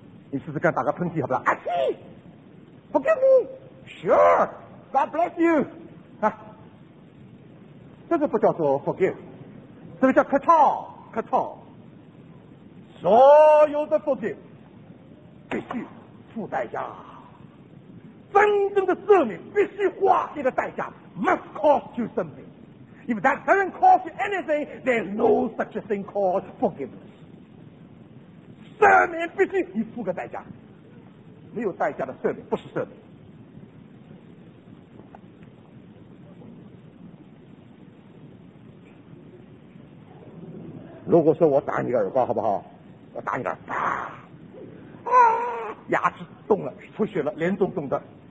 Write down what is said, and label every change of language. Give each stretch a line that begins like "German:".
Chinese: 你试试看打个喷嚏好不好？啊，嘻 ， forgive me， sure， God bless you，啊，这个不叫做 forgive， 这个叫客套，客套。所有的 forgive 必须付代价，真正的赦免必须花一个代价。
English: Must cost you something. If that doesn't cost you anything, there's no such a thing called forgiveness.
Chinese: 赦免必须你付个代价，没有代价的赦免不是赦免。如果说我打你个耳光好不好？我打你个耳光，啊，牙齿动了，出血了，连动动的。